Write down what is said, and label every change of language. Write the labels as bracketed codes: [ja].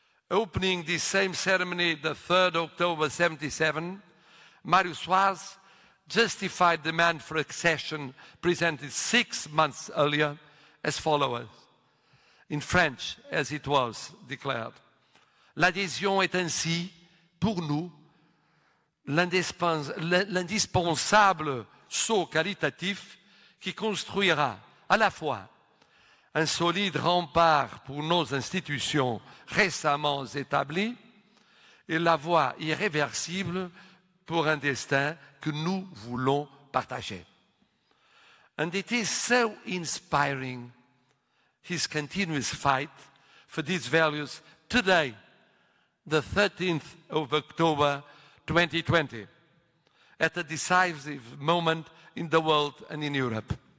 [en] Opening this same ceremony, the 3rd October 77, Mário Soares justified the demand for accession presented 6 months earlier as follows, in French, as it was declared. [fr] L'adhésion est ainsi, pour nous, l'indispensable saut qualitatif qui construira à la fois un solide rempart pour nos institutions récemment établies et la voie irréversible pour un destin que nous voulons partager. [en] And it is so inspiring, his continuous fight for these values today, the 13th of October 2020, at a decisive moment in the world and in Europe.